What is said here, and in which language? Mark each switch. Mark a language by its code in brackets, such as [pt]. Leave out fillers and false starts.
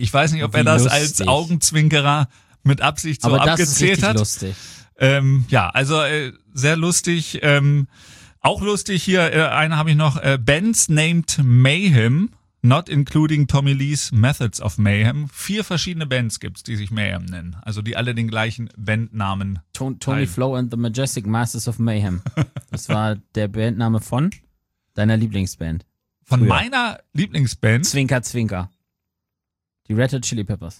[de] Ich weiß nicht, ob er das als Augenzwinkerer mit Absicht so abgezählt hat. Aber das ist richtig lustig. Sehr lustig. Auch lustig hier, einen habe ich noch. [en] Bands named Mayhem, not including Tommy Lee's Methods of Mayhem. [de] 4 verschiedene Bands gibt's, die sich Mayhem nennen. Also die alle den gleichen Bandnamen haben. Tony Flo and the Majestic Masters of Mayhem. Das war der Bandname von deiner Lieblingsband. Von früher. Meiner Lieblingsband? Zwinker, Zwinker. Die Red Hot Chili Peppers.